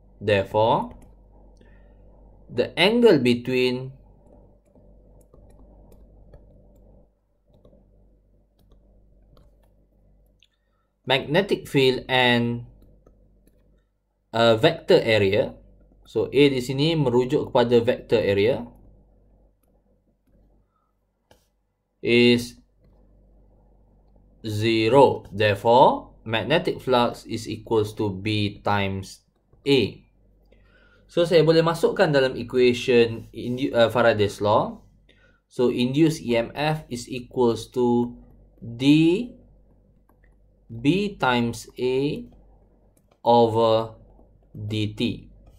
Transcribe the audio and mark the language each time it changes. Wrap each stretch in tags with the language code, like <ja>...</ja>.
<en>Therefore, the angle between magnetic field and vector area, so A</en> <ms>di sini merujuk kepada</ms> <en>vector area, is zero. Therefore, magnetic flux is equals to B times A.</en> <ms>So, saya boleh masukkan dalam equation Faraday's law.</ms> <en>So, induced EMF is equals to D B times A over dt.</en>